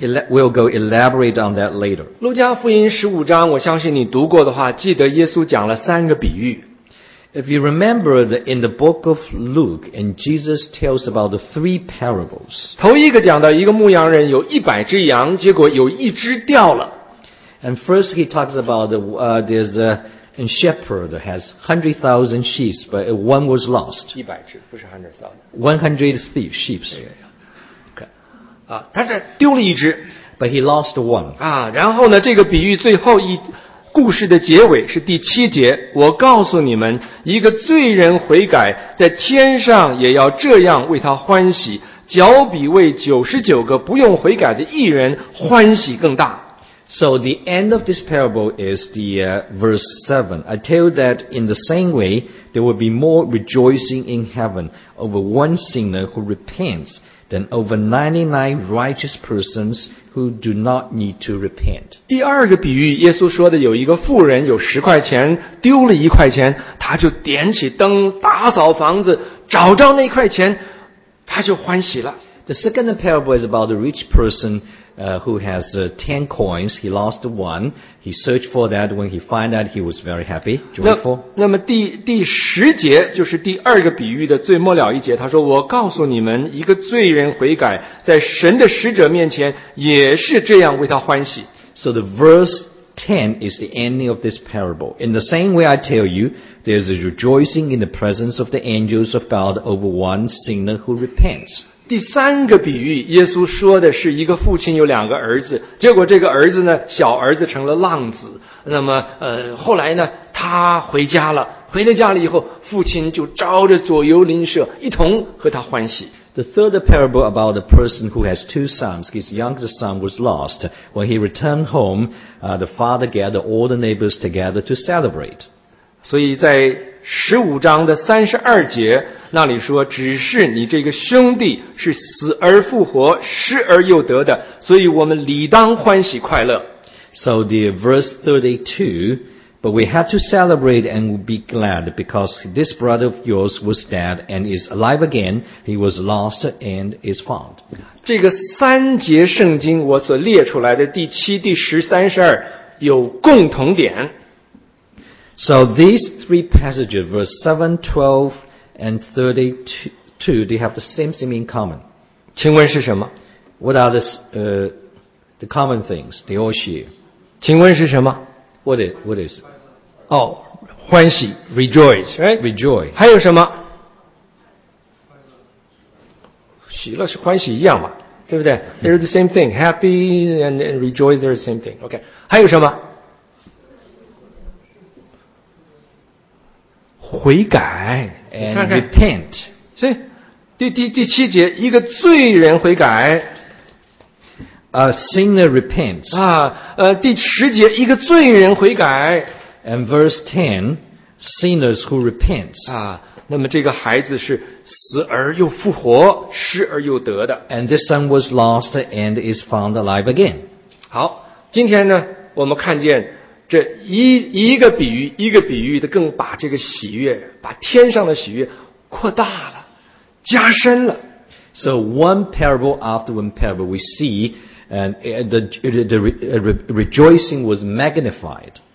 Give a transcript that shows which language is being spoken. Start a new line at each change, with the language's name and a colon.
English: We'll elaborate on that later.
Chinese: 路加福音十五章，我相信你读过的话，记得耶稣讲了三个比喻。
English: If you remember that in the book of Luke, and Jesus tells about the three parables.
Chinese: 头一个讲到一个牧羊人有一百只羊，结果有一只掉了。
English: And first he talks about there's a shepherd has 100,000 sheep, but one was lost.
Chinese: 一百只，不是 100,000.
English: 100 thief sheep.
Chinese: Okay. 他是丢了一只。
English: But he lost one.
Chinese: 然后呢，这个比喻最后一故事的结尾是第七节，我告诉你们，一个罪人悔改，在天上也要这样为他欢喜，脚比为99个不用悔改的义人欢喜更大。
English: So the end of this parable is the verse 7. I tell you that in the same way, there will be more rejoicing in heaven over one sinner who repents than over 99 righteous persons who do not need to repent.
Chinese: 第二个比喻，耶稣说的有一个富人有十块钱，丢了一块钱，他就点起灯，打扫房子，找着那块钱，他就欢喜了。
English: The second parable is about the rich person who has 10 coins. He lost one. He searched for that. When he found that, he was very happy, joyful.
Chinese: 那么第十节就是第二个比喻的最末了一节。他说：“我告诉你们，一个罪人悔改，在神的使者面前也是这样为他欢喜。”
English: So the verse 10 is the ending of this parable. In the same way, I tell you, there's a rejoicing in the presence of the angels of God over one sinner who repents.
Chinese: 第三个比喻，耶稣说的是一个父亲有两个儿子，结果这个儿子呢，小儿子成了浪子。那么，后来呢，他回家了，回了家了以后，父亲就招着左右邻舍一同和他欢喜。
English: The third parable about the person who has two sons. His youngest son was lost. When he returned home, the father gathered all the neighbors together to celebrate.
Chinese: 所以在十五章的三十二节。那里说，只是你这个兄弟是死而复活，失而又得的，所以我们理当欢喜快乐。
English: So the verse 32, but we have to celebrate and be glad because this brother of yours was dead and is alive again. He was lost and is found.
Chinese: 这个三节圣经我所列出来的第七、第十、三十二有共同点。
English: So these three passages, verse 7, 12. And 32, they have the same thing in common.
Chinese: 请问是什么
English: ？What are the common things they all share?
Chinese: 请问是什么
English: ？What is? 哦、oh, ，
Chinese: 欢喜
English: ，rejoice, right? Rejoice.
Chinese: 还有什么？喜乐是欢喜一样嘛，对不对 ？
English: They're the same thing. Happy and rejoice, they're the same thing.
Chinese: Okay. 还有什么？悔改
English: and repent.
Chinese: 所以第七节，一个罪人悔改。
English: A sinner repents.
Chinese: 啊，第十节，一个罪人悔改。
English: And verse 10, sinners who repent.
Chinese: 啊，那么这个孩子是死而又复活，失而又得的。
English: And this son was lost and is found alive again.
Chinese: 好，今天呢，我们看见这一个比喻的更把这个喜悦，把天上的喜悦扩大了。加深了。
English: So one parable after one parable, we see, and the rejoicing was magnified.